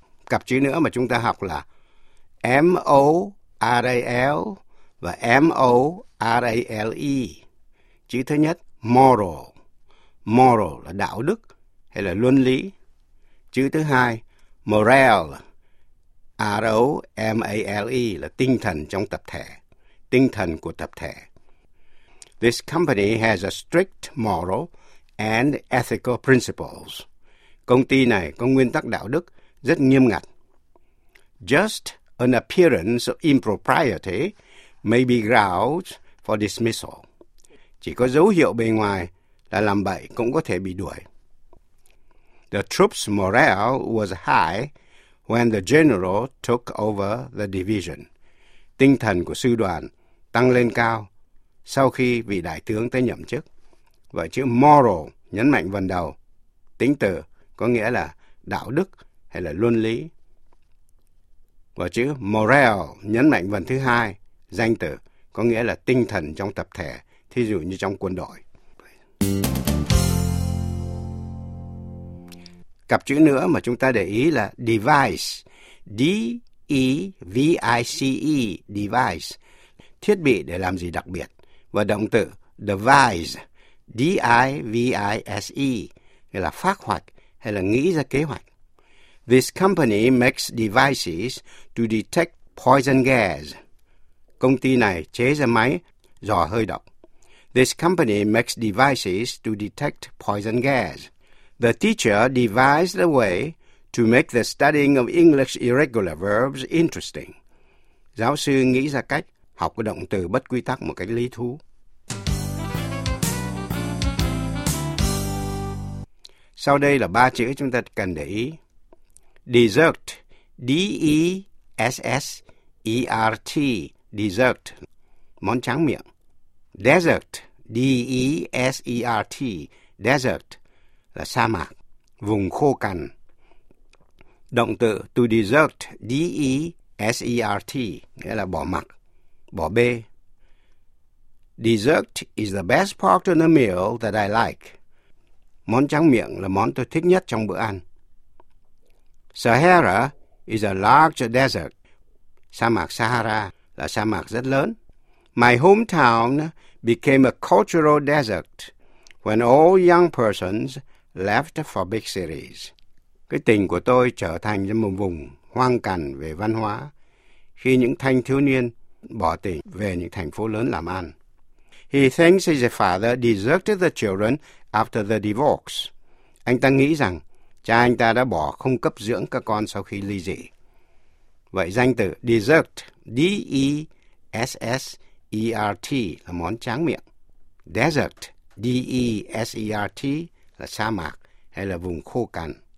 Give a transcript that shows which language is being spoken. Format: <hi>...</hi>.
<vi>Cặp chữ nữa mà chúng ta học là M-O-R-A-L và M-O-R-A-L-E. Chữ thứ nhất, moral. Moral là đạo đức hay là luân lý. Chữ thứ hai, morale. R-O-M-A-L-E là tinh thần trong tập thể. Tinh thần của tập thể.</vi> <en>This company has a strict moral and ethical principles.</en> <vi>Công ty này có nguyên tắc đạo đức rất nghiêm ngặt.</vi> <en>Just an appearance of impropriety may be grounds for dismissal.</en> <vi>Chỉ có dấu hiệu bề ngoài là làm bậy cũng có thể bị đuổi.</vi> <en>The troops' morale was high when the general took over the division.</en> <vi>Tinh thần của sư đoàn tăng lên cao sau khi vị đại tướng tới nhậm chức. Vậy chữ moral nhấn mạnh vần đầu, tính từ có nghĩa là đạo đức hay là luân lý. Và chữ morale nhấn mạnh vần thứ hai, danh từ, có nghĩa là tinh thần trong tập thể, thí dụ như trong quân đội. Cặp chữ nữa mà chúng ta để ý là device, D-E-V-I-C-E, device, thiết bị để làm gì đặc biệt. Và động từ devise, D-I-V-I-S-E, nghĩa là phác hoạch hay là nghĩ ra kế hoạch.</vi> <en>This company makes devices to detect poison gas.</en> <vi>Công ty này chế ra máy dò hơi độc.</vi> <en>This company makes devices to detect poison gas. The teacher devised a way to make the studying of English irregular verbs interesting.</en> <vi>Giáo sư nghĩ ra cách học cái động từ bất quy tắc một cách lý thú. Sau đây là ba chữ chúng ta cần để ý. Dessert, D-E-S-S-E-R-T, dessert, món tráng miệng. Desert, D-E-S-E-R-T, desert, là sa mạc, vùng khô cằn. Động từ to desert, D-E-S-E-R-T, nghĩa là bỏ mặc, bỏ bê.</vi> <en>Dessert is the best part of the meal that I like.</en> <vi>Món tráng miệng là món tôi thích nhất trong bữa ăn.</vi> <en>Sahara is a large desert.</en> <vi>Sa mạc Sahara là sa mạc rất lớn.</vi> <en>My hometown became a cultural desert when all young persons left for big cities.</en> <vi>Cái tỉnh của tôi trở thành một vùng hoang cằn về văn hóa khi những thanh thiếu niên bỏ tỉnh về những thành phố lớn làm ăn.</vi> <en>He thinks his father deserted the children after the divorce.</en> <vi>Anh ta nghĩ rằng cha anh ta đã bỏ không cấp dưỡng các con sau khi ly dị. Vậy danh từ desert, D-E-S-S-E-R-T là món tráng miệng. Desert, D-E-S-E-R-T là sa mạc hay là vùng khô cằn.</vi>